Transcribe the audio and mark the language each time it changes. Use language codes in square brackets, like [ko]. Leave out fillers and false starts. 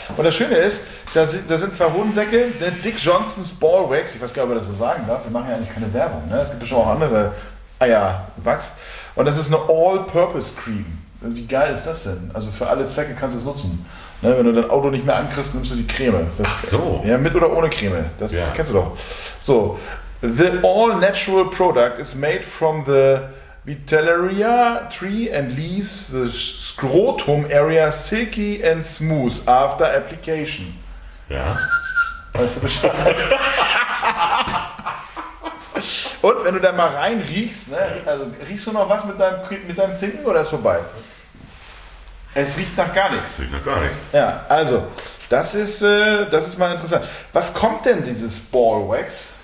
[de] Und das Schöne ist, da sind zwei Hodensäcke, der Dick Johnsons Ballwax, ich weiß gar nicht, ob ich das so sagen darf, wir machen ja eigentlich keine Werbung, ne? Es gibt bestimmt auch andere Eierwachs. Und das ist eine All-Purpose-Cream. Wie geil ist das denn? Also für alle Zwecke kannst du es nutzen. Ne? Wenn du dein Auto nicht mehr ankriegst, nimmst du die Creme. Das, ach so. Ja, mit oder ohne Creme. Das ja. Kennst du doch. [en] So, the all-natural product is made from the Vitellaria tree and leaves the scrotum area silky and smooth after application. [de] Ja. Weißt du Bescheid? Und wenn du da mal rein riechst, ne, also riechst du noch was mit deinem Zinken oder ist vorbei? Es riecht nach gar nichts. Riecht nach gar nichts. Ja, also, das ist mal interessant. Was kommt denn dieses Ballwax?